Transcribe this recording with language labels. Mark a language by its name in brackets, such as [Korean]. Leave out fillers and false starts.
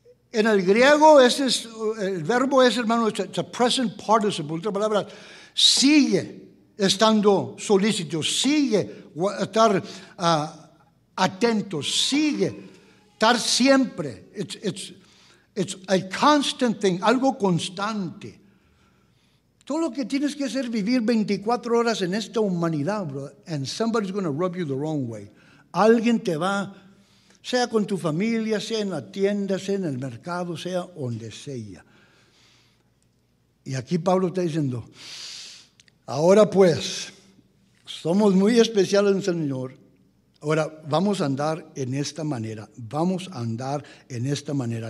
[Spanish] En el griego, ese es, el verbo es, hermano, [English] it's a present participle. [Spanish] En otras palabras, sigue estando solícito, sigue estar atento, sigue estar siempre. [English] It's a constant thing, [Spanish] algo constante. Todo lo que tienes que hacer es vivir 24 horas en esta humanidad, bro. [English] And somebody's going to rub you the wrong way. [Spanish] Alguien te va, sea con tu familia, sea en la tienda, sea en el mercado, sea donde sea. Y aquí Pablo está diciendo, ahora pues, somos muy especiales en el Señor. Ahora, vamos a andar en esta manera. Vamos a andar en esta manera.